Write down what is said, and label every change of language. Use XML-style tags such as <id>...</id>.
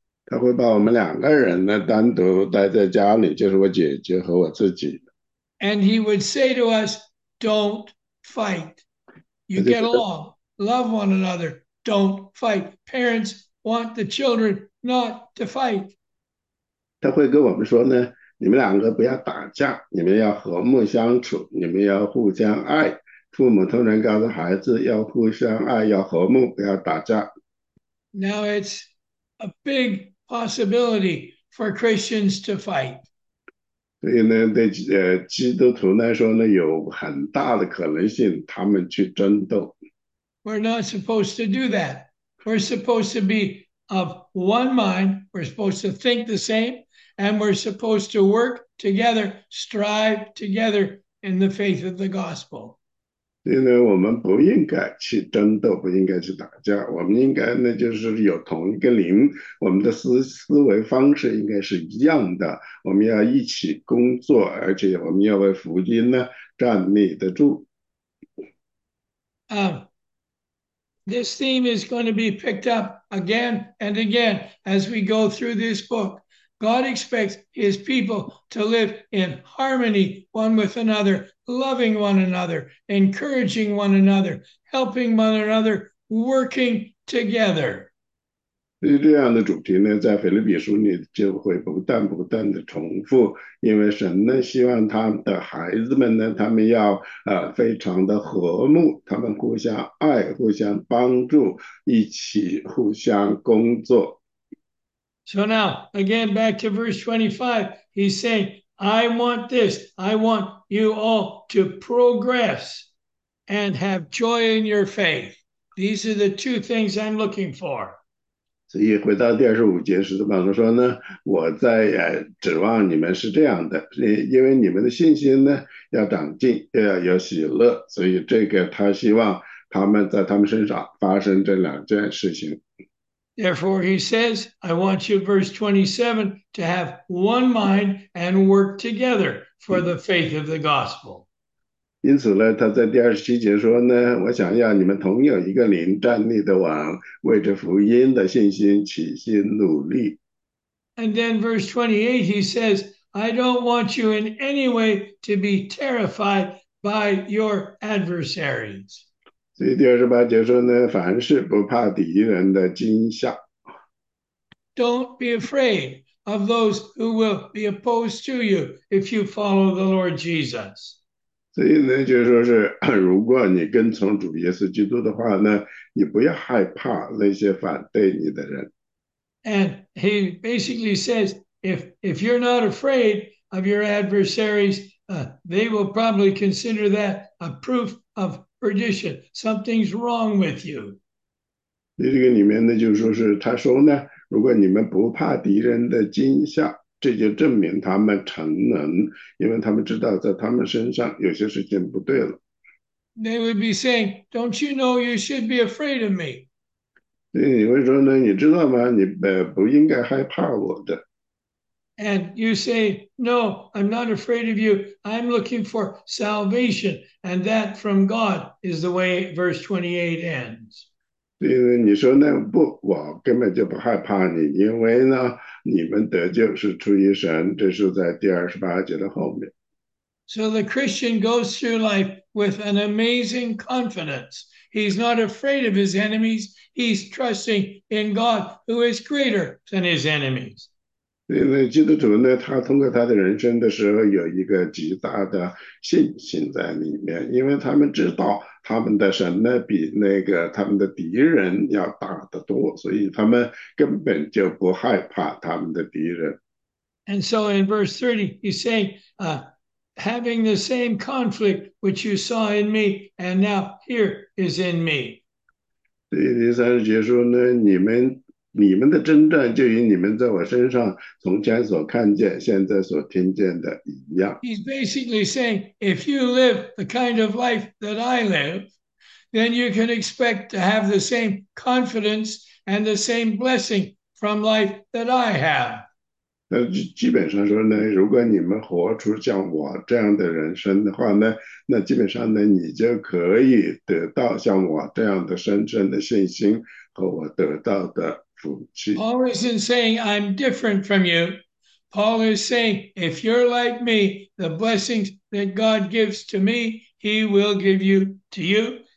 <zh>他会把我们两个人呢单独待在家里，就是我姐姐和我自己。</zh> <en>And he would say to us, don't fight. You</en> <zh>他就</zh> <en>get</en> <zh>觉得，</zh> <en>along, love one another, don't fight. Parents want the children not to fight.</en> <zh>他会跟我们说呢，你们两个不要打架，你们要和睦相处，你们要互相爱。父母通常告诉孩子要互相爱，要和睦，不要打架。</zh> <en>Now it's a big possibility for Christians to fight.</en> <zh>所以呢，对基督徒来说呢，有很大的可能性，他们去争斗。</zh> <en>We're not supposed to do that. We're supposed to be of one mind. We're supposed to think the same. And we're supposed to work together, strive together in the faith of the gospel.</en> <zh>所以呢，我们不应该去争斗，不应该去打架，我们应该呢，就是有同一个灵，我们的思维方式应该是一样的，我们要一起工作，而且我们要为福音呢站立得住。</zh> <en>This theme is going to be picked up again and again as we go through this book. God expects his people to live in harmony one with another, loving one another, encouraging one another, helping one another, working together.</en> <zh>所以这样的主题呢，在腓立比书里就会不断的重复，因为神呢希望他的孩子们呢，他们要非常的和睦，他们互相爱，互相帮助，一起互相工作。</zh> <en>So now, again, back to verse 25, he's saying, I want this. I want you all to progress and have joy in your faith. These are the two things I'm looking for.</en> <zh>所以回到第25节，使徒保罗说呢，我在指望你们是这样的，因为你们的信心呢要长进，又要有喜乐，所以这个他希望他们在他们身上发生这两件事情。</zh> <en>Therefore, he says, I want you, verse 27, to have one mind and work together for the faith of the gospel.</en> <zh>因此呢，他在第27节说呢，我想要你们同有一个灵，站立的网，为着福音的信心齐心努力。</zh> <en>And then, verse 28, he says, I don't want you in any way to be terrified by your adversaries.</en> <zh>所以第28节说呢，凡事不怕敌人的惊吓。</zh> <en>Don't be afraid of those who will be opposed to you if you follow the Lord Jesus.</en> <zh>所以呢，就是说是，如果你跟从主耶稣基督的话呢，你不要害怕那些反对你的人。</zh> <en>And he basically says, if you're not afraid of your adversaries, they will probably consider that a proof of perdition. Something's wrong with you.</en> <zh>所以这个里面呢，就是说是他说呢，如果你们不怕敌人的惊吓。这就证明他们逞能，因为他们知道在他们身上有些事情不对了。</zh> <en>They would be saying, Don't you know you should be afraid of me?</en> <zh>所以你会说呢？你知道吗？你不应该害怕我的。</zh> <en>And you say, No, I'm not afraid of you. I'm looking for salvation. And that from God is the way verse 28 ends.</en> <zh>对呢，你说那不，我根本就不害怕你，因为呢，你们得救是出于神，这是在第28节的后面。</zh> <en>So the Christian goes through life with an amazing confidence. He's not afraid of his enemies. He's trusting in God, who is greater than his enemies.</en> <zh>对呢，基督徒呢，他通过他的人生的时候，有一个极大的信心在里面，因为他们知道。他们的神呢，比那个他们的敌人要大得多，所以他们根本就不害怕他们的敌人。</zh> <en>And so in verse 30, he's saying, having the same conflict which you saw in me and now here is in me.</en> <zh>第三十节说呢，你们的征战就与你们在我身上从前所看见、现在所听见的一样。</zh> <en>He's basically saying, if you live the kind of life that I live, then you can expect to have the same confidence and the same blessing from life that I have.</en> <zh>那基本上说呢，如果你们活出像我这样的人生的话呢，那基本上呢，你就可以得到像我这样的深深的信心和我得到的福气。</zh> <en>Paul isn't saying I'm different from you. Paul is saying, if you're like me, the blessings that God gives to me, he will give you to you.</en>